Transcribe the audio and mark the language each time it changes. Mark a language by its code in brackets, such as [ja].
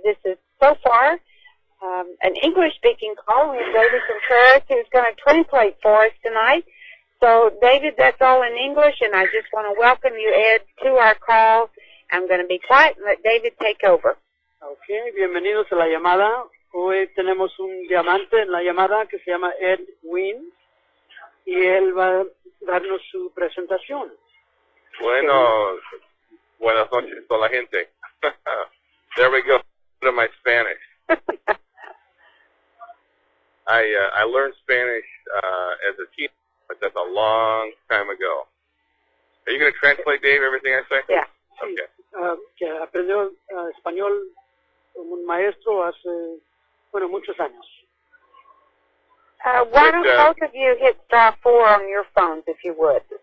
[en] This is, so far, an English-speaking call. We have David Contreras, who's going to translate for us tonight. So, David, that's all in English, and I just want to welcome you, Ed, to our call. I'm going to be quiet and let David take over. [es] Okay, bienvenidos a la llamada. Hoy tenemos un diamante en la llamada que se llama Ed Weems, y él va a darnos su presentación. Bueno, buenas noches a toda la gente. [en] There we go, to my Spanish. I learned Spanish as a teenager. But that's a long time ago. Are you going to translate, Dave, everything I say? Yeah. Okay. [es] Aprendió español como un maestro hace, bueno, muchos años. [en] Why don't both of you hit star 4 on your phones, if you would?